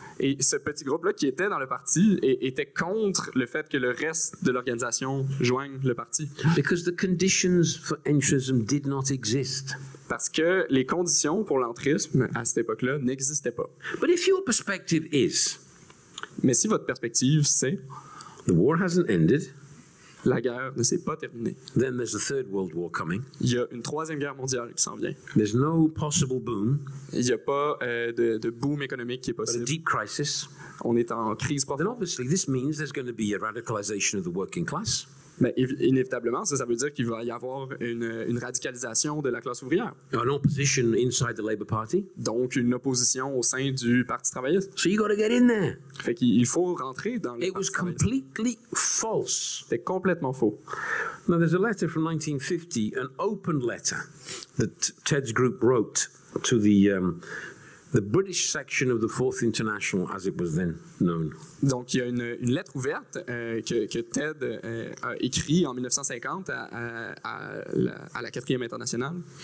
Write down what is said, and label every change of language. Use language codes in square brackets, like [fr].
[fr] Et ce petit groupe-là qui était dans le parti était contre le fait que le reste de l'organisation joigne le parti. [en] Because the conditions for entrism did not exist. [fr] Parce que les conditions pour l'entrisme à cette époque-là n'existaient pas. [en] But if your perspective is, [fr] mais si votre perspective c'est [en] the war hasn't ended, [fr] la guerre ne s'est pas terminée, [en] then there's a third world war coming. [fr] Il y a une troisième guerre mondiale qui s'en vient. [en] There's no possible boom. [fr] Il n'y a pas de boom économique qui est possible. [en] But a deep crisis. [fr] On est en crise profonde. [en] Then obviously this means there's going to be a radicalization of the working class. [fr] Mais inévitablement, ça veut dire qu'il va y avoir une radicalisation de la classe ouvrière. [en] An opposition inside the Labour Party. [fr] Donc, une opposition au sein du Parti travailliste. [en] So you gotta get in there. [fr] Fait qu'il faut rentrer dans le Parti travailliste. [en] It was completely false. [fr] C'était complètement faux. [en] Now, there's a letter from 1950, an open letter that Ted's group wrote to the British section of the Fourth International, as it was then known. [fr] Donc, il y a une lettre ouverte que Ted a écrit en 1950 à la Quatrième Internationale.